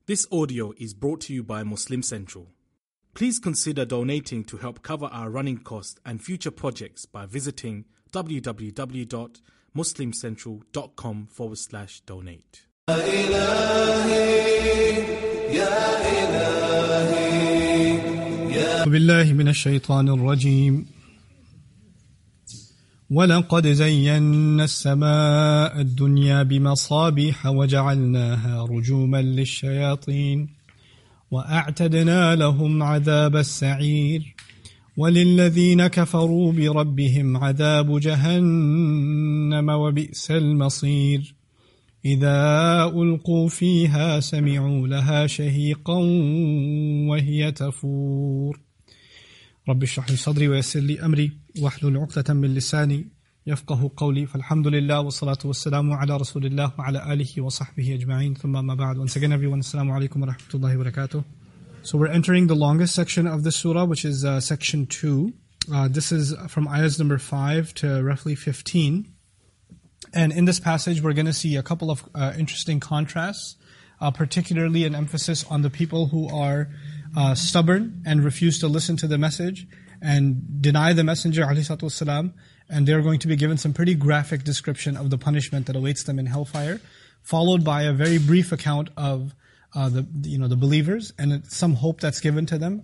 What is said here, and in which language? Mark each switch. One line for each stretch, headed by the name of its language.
English: This audio is brought to you by Muslim Central. Please consider donating to help cover our running costs and future projects by visiting www.muslimcentral.com/donate.
Arabic: بالله من الشيطان الرجيم ولقد زينا السماء الدنيا بمصابيح وجعلناها رجوما للشياطين وأعتدنا لهم عذاب السعير وللذين كفروا بربهم عذاب جهنم وبئس المصير إذا ألقوا فيها سمعوا لها شهيقا وهي تفور رب اشرح لي صدري ويسر لي امري واحلل عقدة من لساني يفقهوا قولي فالحمد لله والصلاة والسلام على رسول الله وعلى اله وصحبه اجمعين ثم ما بعد
English: once again everyone
Arabic: السلام عليكم ورحمة الله وبركاته.
English: So we're entering the longest section of the surah, which is section 2. This is from ayahs number 5 to roughly 15. And in this passage we're going to see a couple of interesting contrasts, particularly an emphasis on the people who are stubborn and refuse to listen to the message and deny the messenger alayhi salatu wasalam, and they're going to be given some pretty graphic description of the punishment that awaits them in hellfire, followed by a very brief account of the believers and some hope that's given to them.